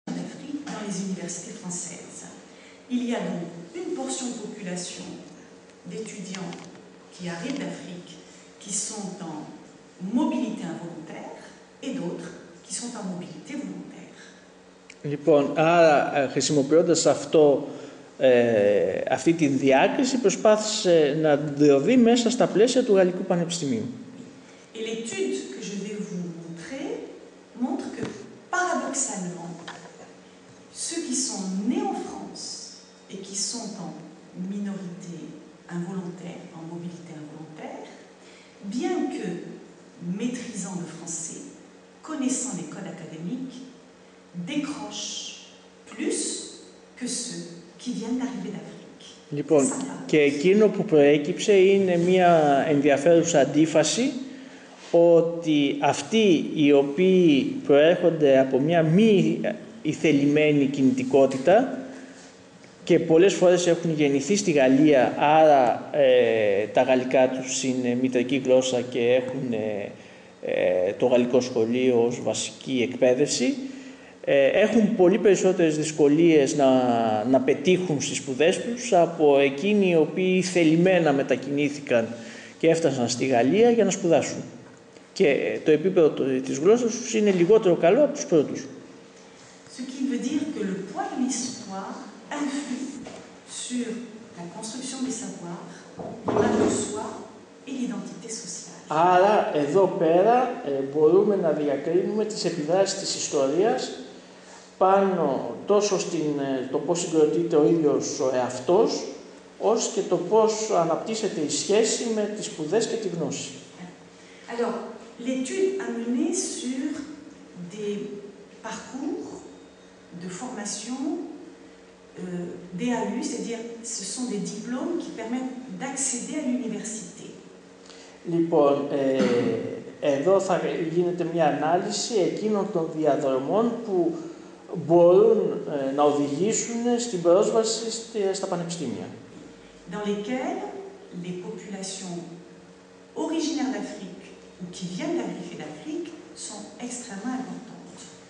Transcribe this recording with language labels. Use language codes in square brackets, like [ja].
[fr] les universités françaises. Il y a donc une portion de population d'étudiants qui arrivent d'Afrique, qui sont en mobilité involontaire, et d'autres qui sont en mobilité volontaire. [el] Λοιπόν, άρα χρησιμοποιώντας αυτό, αυτή τη διάκριση, προσπάθησε να διωδεί μέσα στα πλαίσια του Γαλλικού Πανεπιστημίου. [fr] Et l'étude que je vais vous montrer montre que paradoxalement, ceux qui sont nés en France et qui sont en minorité involontaire, en mobilité involontaire, bien que maîtrisant le français, connaissant les codes académiques, décrochent plus que ceux qui viennent d'arriver d'Afrique. [el] Λοιπόν, και εκείνο που προέκυψε είναι μια ενδιαφέρουσα αντίφαση ότι αυτοί οι οποίοι προέρχονται από μια μη ηθελημένη κινητικότητα και πολλές φορές έχουν γεννηθεί στη Γαλλία, άρα τα γαλλικά τους είναι μητρική γλώσσα και έχουν το γαλλικό σχολείο ως βασική εκπαίδευση, έχουν πολύ περισσότερες δυσκολίες να πετύχουν στις σπουδές τους από εκείνοι οι οποίοι θελημένα μετακινήθηκαν και έφτασαν στη Γαλλία για να σπουδάσουν. Και το επίπεδο της γλώσσας τους είναι λιγότερο καλό από τους πρώτους. [fr] Ce qui veut dire que le poids de l'histoire influe sur la construction du savoir, l'image de soi et l'identité sociale. [el] Άρα, εδώ πέρα, μπορούμε να διακρίνουμε τις επιδράσεις της ιστορίας πάνω τόσο στην, το πώς συγκροτείται ο ίδιος ο εαυτός, ως και το πώς αναπτύσσεται η σχέση με τις σπουδές και τη γνώση. [fr] Alors, l'étude a mené sur des parcours de formation DAU, c'est-à-dire ce sont des diplômes qui permettent d'accéder à l'université. [el] Λοιπόν, εδώ θα γίνεται μια ανάλυση εκείνων των διαδρομών που μπορούν να οδηγήσουν στην πρόσβαση στα πανεπιστήμια. [fr] Dans lesquels les populations originaires d'Afrique ou qui viennent d'Afrique sont extrêmement importantes.